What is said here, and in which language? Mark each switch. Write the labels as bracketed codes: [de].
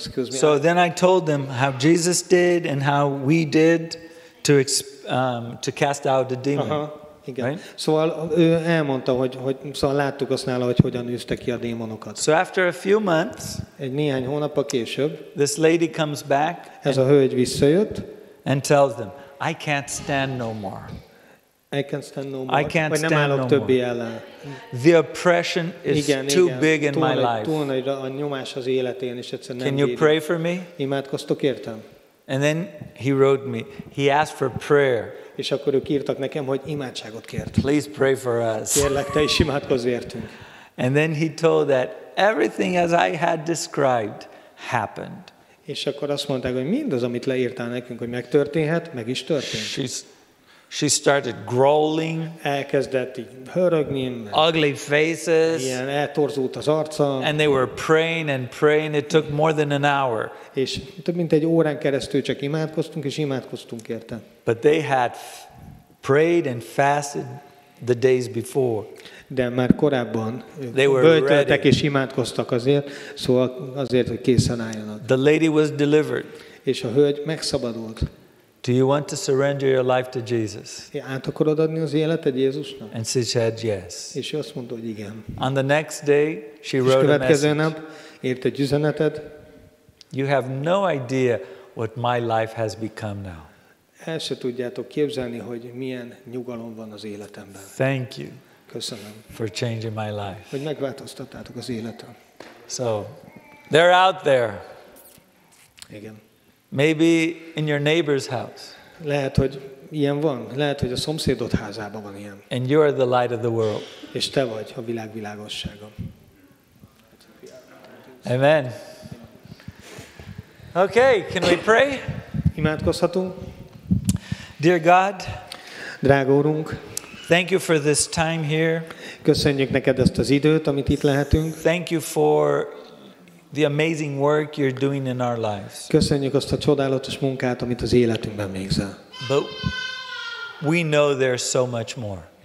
[en] So then I told them how Jesus did and how we did to cast out the demon. [hu] Igen. [en] Right? [hu] Szóval ő elmondta, hogy szóval láttuk azt nála, hogy hogyan űzte ki a démonokat. [en] So after a few months, [hu] egy néhány hónap később, [en] this lady comes back. [hu] Ez a hölgy visszajött. [en] And tells them, I can't stand no more. I can't stand no more. I can't stand no more. The oppression is too big in my life. [hu] Túl nagy a nyomás az életén, és egyszerűen nem bírja. [en] Can you pray for me? [hu] Imádkoztok értem. [en] And then he wrote me. He asked for prayer. [hu] És akkor ők írtak nekem, hogy imádságot kért. [en] Please pray for us. [hu] Kérlek, te is imádkozz értünk. [en] And then he told that everything as I had described happened. [hu] És akkor azt mondták, hogy mindaz, amit leírtál nekünk, hogy megtörténhet, meg is történt. [en] She started growling. [hu] Elkezdett így hörögni. [en] Ugly faces. [hu] Ilyen eltorzult az arca. [en] And they were praying and praying. It took more than an hour. [hu] És több mint egy órán keresztül csak imádkoztunk, és imádkoztunk érte. [en] But they had prayed and fasted the days before. [hu] De már korábban böjtöltek és imádkoztak azért, szóval azért, hogy készen álljanak. [en] The lady was delivered. [hu] És a hölgy megszabadult. [en] Do you want to surrender your life to Jesus? [hu] Át akarod adni az életed Jézusnak? [en] And she said yes. [hu] És ő azt mondta, hogy igen. [en] On the next day, she wrote a message. [hu] És következő nap írt egy üzenetet. [en] You have no idea what my life has become now. [hu] El se tudjátok képzelni, hogy milyen nyugalom van az életemben. [en] Thank you. [hu] Köszönöm. [en] For changing my life. [hu] Hogy megváltoztattátok az életem. [en] So, they're out there. [hu] Igen. [en] Maybe in your neighbor's house. [hu] Lehet, hogy ilyen van. Lehet, hogy a szomszédod házában van ilyen. [en] And you are the light of the world. [hu] És te vagy a világ világossága. Amen. [en] Okay, can we pray? [hu] Imádkozhatunk. [en] Dear God, [hu] drága Úrunk, [en] thank you for this time here. [hu] Köszönjük neked ezt az időt, amit itt lehetünk. [en] Thank you for the amazing work you're doing in our lives. [hu] Köszönjük azt a csodálatos munkát, amit az életünkben végzel. [en] But we know there's so much more.